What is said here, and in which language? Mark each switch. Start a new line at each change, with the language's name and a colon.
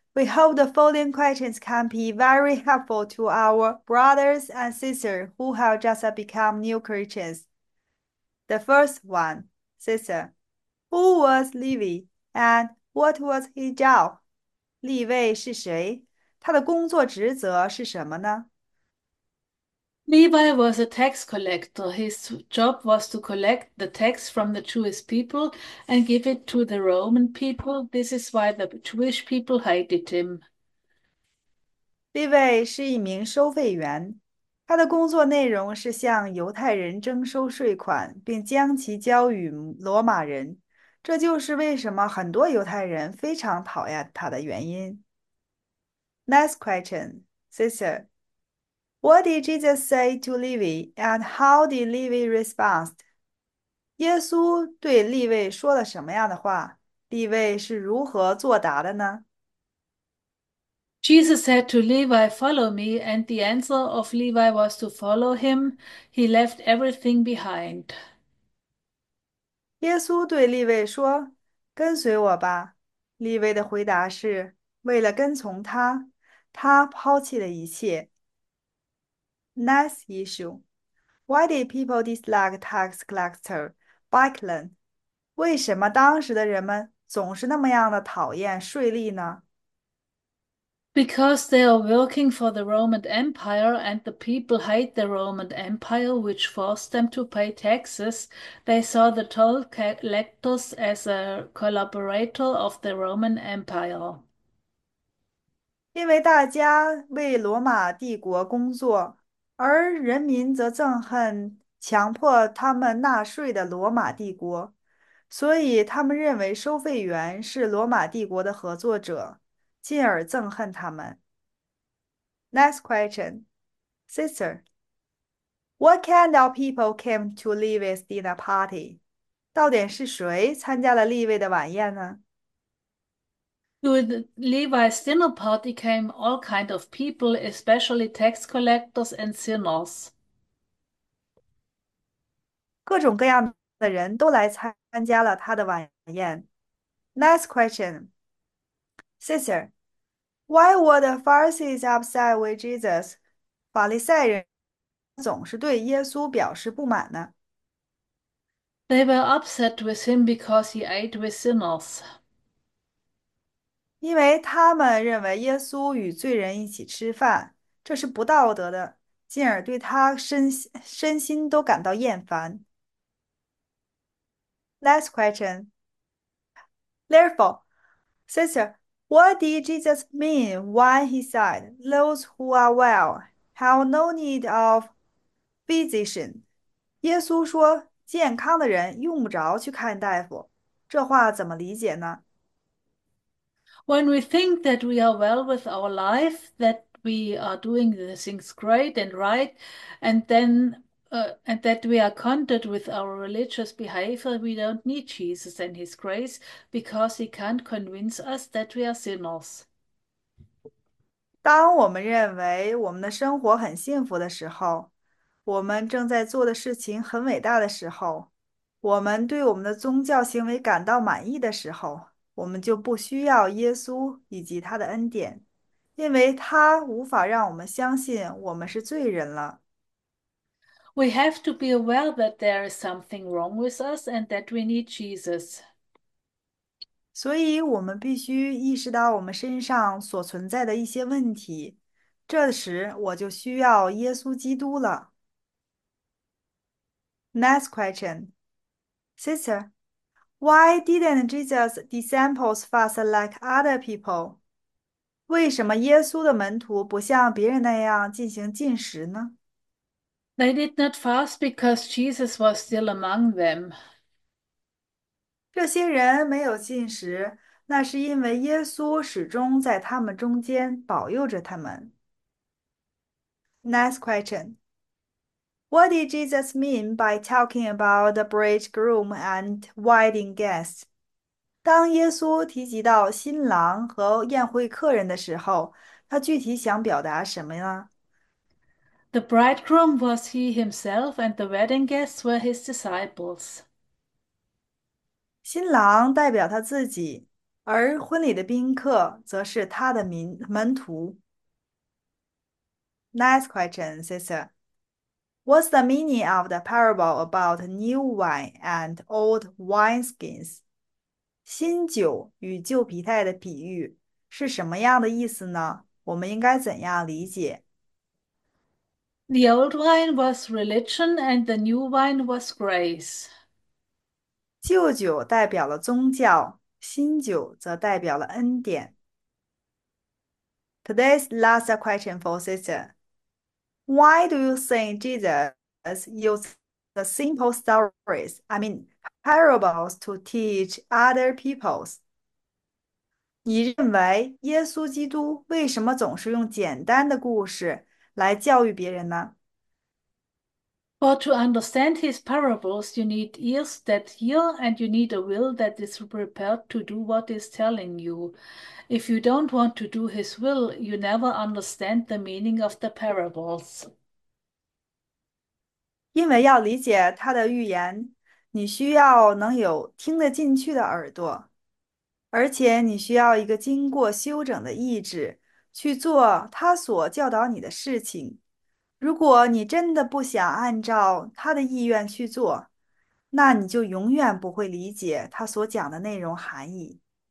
English: We hope the following questions can be very helpful to our brothers and sisters who have just become new Christians. The first one, sister, who was Levi and what was his job?
Chinese: 利未是谁？他的工作职责是什么呢？
English: Levi was a tax collector. His job was to collect the tax from the Jewish people and give it to the Roman people. This is why the Jewish people hated him.
Chinese: 利未是一名收费员，他的工作内容是向犹太人征收税款，并将其交与罗马人。这就是为什么很多犹太人非常讨厌他的原因。
English: Next question, sister. What did Jesus say to Levi and how did Levi respond?
Chinese: 耶稣对利未说了什么样的话？利未是如何作答的呢？
English: Jesus said to Levi, "Follow me," and the answer of Levi was to follow him. He left everything behind.
Chinese: 耶稣对利未说：“跟随我吧。”利未的回答是：“为了跟从他，他抛弃了一切。
English: ”Next issue: Why did people dislike tax collector Bickland？
Chinese: 为什么当时的人们总是那么样的讨厌税吏呢？
English: Because they are working for the Roman Empire and the people hate the Roman Empire, which forced them to pay taxes, they saw the toll collectors as a collaborator of the Roman Empire.
Chinese: 因为大家为罗马帝国工作，而人民则憎恨强迫他们纳税的罗马帝国，所以他们认为收费员是罗马帝国的合作者，进而憎恨他们。
English: Next question, sister, what kind of people came to Levi's dinner party?
Chinese: 到底是谁参加了利未的晚宴呢？
English: To the Levi's dinner party came all kind of people, especially tax collectors and sinners.
Chinese: 各种各样的人都来参加了他的晚宴。
English: Next question, sister, why were the Pharisees upset with Jesus?
Chinese: 法利赛人总是对耶稣表示不满呢？
English: They were upset with him because he ate with sinners.
Chinese: 因为他们认为耶稣与罪人一起吃饭，这是不道德的，进而对他身心都感到厌烦。
English: Last question. Therefore, sister, what did Jesus mean when he said, "Those who are well have no need of physician"?
Chinese: 耶稣说，健康的人用不着去看大夫。这话怎么理解呢？
English: When we think that we are well with our life, that we are doing the things great and right, and that we are content with our religious behavior, we don't need Jesus and his grace because he can't convince us that we are sinners.
Chinese: 当我们认为我们的生活很幸福的时候，我们正在做的事情很伟大的时候，我们对我们的宗教行为感到满意的时候，我们就不需要耶稣以及他的恩典，因为他无法让我们相信我们是罪人了。
English: We have to be aware that there is something wrong with us and that we need Jesus.
Chinese: 所以，我们必须意识到我们身上所存在的一些问题，这时我就需要耶稣基督了。
English: Next question, sister, why didn't Jesus' disciples fast like other people?
Chinese: 为什么耶稣的门徒不像别人那样进行禁食呢？
English: They did not fast because Jesus was still among them.
Chinese: 这些人没有进食，那是因为耶稣始终在他们中间保佑着他们。
English: Next question. What did Jesus mean by talking about the bridegroom and wedding guests?
Chinese: 当耶稣提及到新郎和宴会客人的时候，他具体想表达什么呢？
English: The bridegroom was he himself, and the wedding guests were his disciples.
Chinese: 新郎代表他自己，而婚礼的宾客则是他的门徒。
English: Next question, sister. What's the meaning of the parable about new wine and old wineskins?
Chinese: 新酒与旧皮带的比喻是什么样的意思呢？我们应该怎样理解？
English: The old wine was religion and the new wine was grace.
Chinese: 旧酒代表了宗教，新酒则代表了恩典。
English: Today's last question for sister. Why do you think Jesus used the simple stories, I mean parables, to teach other peoples?
Chinese: 你认为耶稣基督为什么总是用简单的故事来教育别人呢？
English: But to understand his parables, you need ears that hear and you need a will that is prepared to do what he's telling you. If you don't want to do his will, you never understand the meaning of the parables.
Chinese: 因为要理解他的预言，你需要能有听得进去的耳朵，而且你需要一个经过修整的意志去做他所教导你的事情。如果你真的不想按照他的意愿去做，那你就永远不会理解他所讲的内容含义。